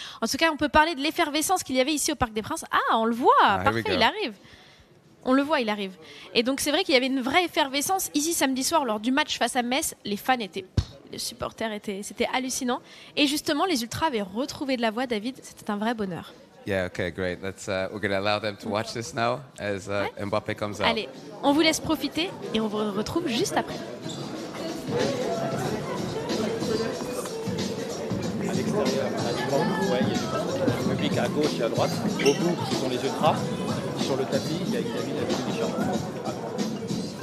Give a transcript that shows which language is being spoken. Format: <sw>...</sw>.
<fr>En tout cas, on peut parler de l'effervescence qu'il y avait ici au Parc des Princes. Ah, on le voit, parfait, il arrive. On le voit, il arrive. Et donc, c'est vrai qu'il y avait une vraie effervescence. Ici, samedi soir, lors du match face à Metz, les fans étaient les supporters étaient, c'était hallucinant. Et justement, les ultras avaient retrouvé de la voix, David. C'était un vrai bonheur.</fr> <en>Yeah, okay, great. Let's we're gonna allow them to watch this now as Mbappé comes out.</en> <fr>Allez, on vous laisse profiter et on vous retrouve juste après. À l'extérieur, là, ouais, il y a du public à gauche et à droite. Au bout, ce sont les ultras. Sur le tapis, il y a une cabine avec des t-shirts.</fr>